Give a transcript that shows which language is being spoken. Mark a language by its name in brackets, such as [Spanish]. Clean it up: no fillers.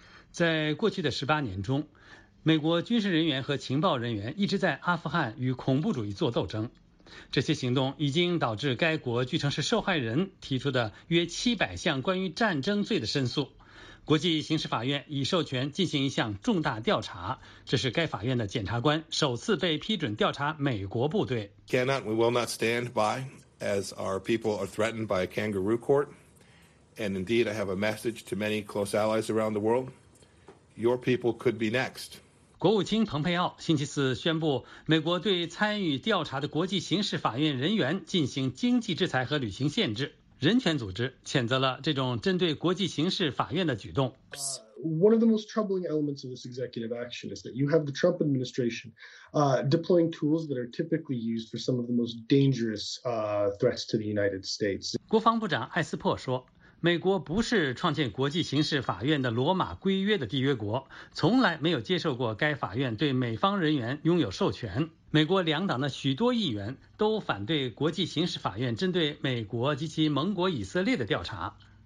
[Chinese] 在过去的18年中，美国军事人员和情报人员一直在阿富汗与恐怖主义做斗争，这些行动已经导致该国据称是受害人提出的约700项关于战争罪的申诉。国际刑事法院已授权进行一项重大调查，这是该法院的检察官首次被批准调查美国部队。 [English] Cannot, we will not stand by as our people are threatened by a kangaroo court. And indeed I have a message to many close allies around the world. Your people could be next. [Chinese] 国务卿蓬佩奥星期四宣布，美国对参与调查的国际刑事法院人员进行经济制裁和旅行限制。人权组织谴责了这种针对国际刑事法院的举动。 [English] One of the most troubling elements of this executive action is that you have the Trump administration, deploying tools that are typically used for some of the most dangerous, threats to the United States. [Chinese] 国防部长艾斯珀说，美国不是创建国际刑事法院的罗马规约的缔约国，从来没有接受过该法院对美方人员拥有授权。美国两党的许多议员都反对国际刑事法院针对美国及其盟国以色列的调查。